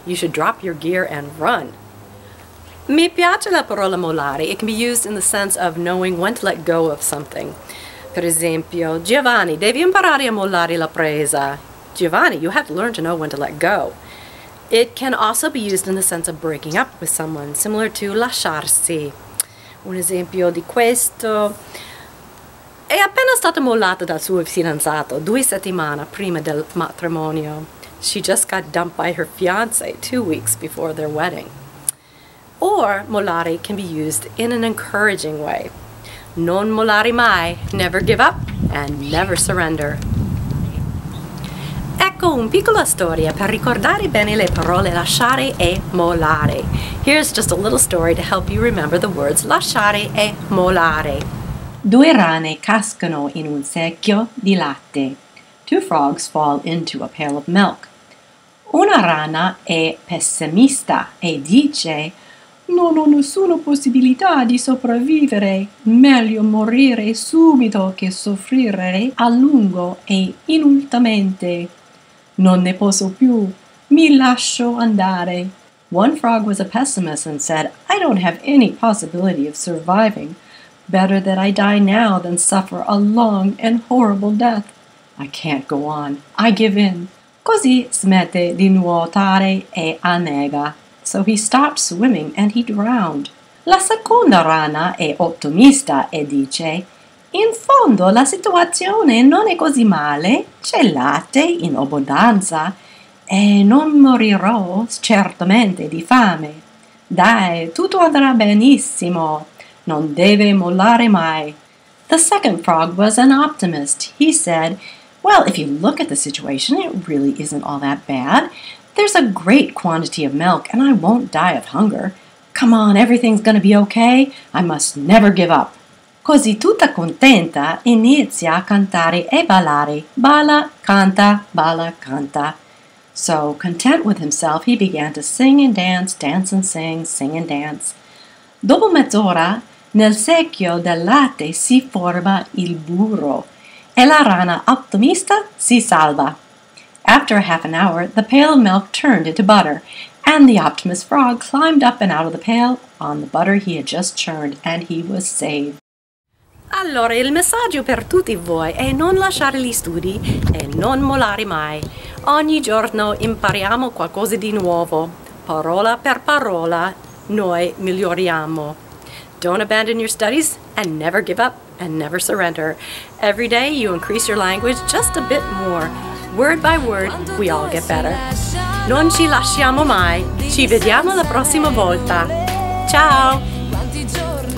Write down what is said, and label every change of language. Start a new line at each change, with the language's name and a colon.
English: You should drop your gear and run.
Italian: Mi piace la parola mollare.
English: It can be used in the sense of knowing when to let go of something.
Italian: Per esempio, Giovanni, devi imparare a mollare la presa.
English: Giovanni, you have to learn to know when to let go. It can also be used in the sense of breaking up with someone, similar to lasciarsi.
Italian: Un esempio di questo. È appena stata mollata dal suo fidanzato 2 settimane prima del matrimonio.
English: She just got dumped by her fiancé 2 weeks before their wedding. Or, mollare can be used in an encouraging way.
Italian: Non mollare mai,
English: never give up, and never surrender.
Italian: Ecco un piccola storia per ricordare bene le parole lasciare e mollare.
English: Here's just a little story to help you remember the words lasciare e mollare.
Italian: Due rane cascano in un secchio di latte.
English: Two frogs fall into a pail of milk.
Italian: Una rana è pessimista e dice: Non ho nessuna possibilità di sopravvivere. Meglio morire subito che soffrire a lungo e inutilmente. Non ne posso più. Mi lascio andare.
English: One frog was a pessimist and said, I don't have any possibility of surviving. Better that I die now than suffer a long and horrible death. I can't go on. I give in.
Italian: Così smette di nuotare e annega.
English: So he stopped swimming and he drowned.
Italian: La seconda rana è ottimista e dice, In fondo la situazione non è così male. C'è latte in abbondanza e non morirò certamente di fame. Dai, tutto andrà benissimo. Non deve mollare mai.
English: The second frog was an optimist. He said, Well, if you look at the situation, it really isn't all that bad. There's a great quantity of milk, and I won't die of hunger. Come on, everything's gonna be okay. I must never give up.
Italian: Così tutta contenta, inizia a cantare e ballare. Balla, canta, balla, canta.
English: So, content with himself, he began to sing and dance, dance and sing and dance.
Italian: Dopo mezz'ora, nel secchio del latte si forma il burro, e la rana ottimista si salva.
English: After a half an hour, the pail of milk turned into butter, and the optimist frog climbed up and out of the pail on the butter he had just churned, and he was saved.
Italian: Allora, il messaggio per tutti voi è non lasciare gli studi e non mollare mai. Ogni giorno impariamo qualcosa di nuovo. Parola per parola, noi miglioriamo.
English: Don't abandon your studies and never give up and never surrender. Every day you increase your language just a bit more. Word by word, we all get better.
Italian: Non ci lasciamo mai. Ci vediamo la prossima volta. Ciao!